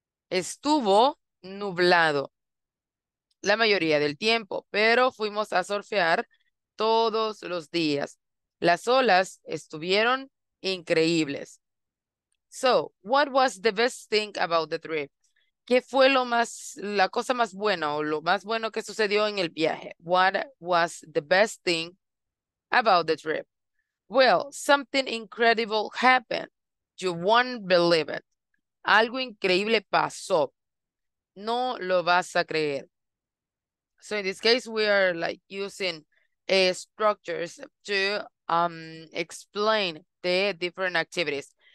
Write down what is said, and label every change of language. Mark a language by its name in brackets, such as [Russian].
[Spanish] Estuvo nublado la mayoría del tiempo, pero fuimos a surfear todos los días. Las olas estuvieron increíbles. [English] So, what was the best thing about the trip? [Spanish] ¿Qué fue lo más, la cosa más buena o lo más bueno que sucedió en el viaje? [English] What was the best thing about the trip? Well, something incredible happened. You won't believe it. [Spanish] Algo increíble pasó. No lo vas a creer. [English] So in this case, we are like using structures to explain the different activities.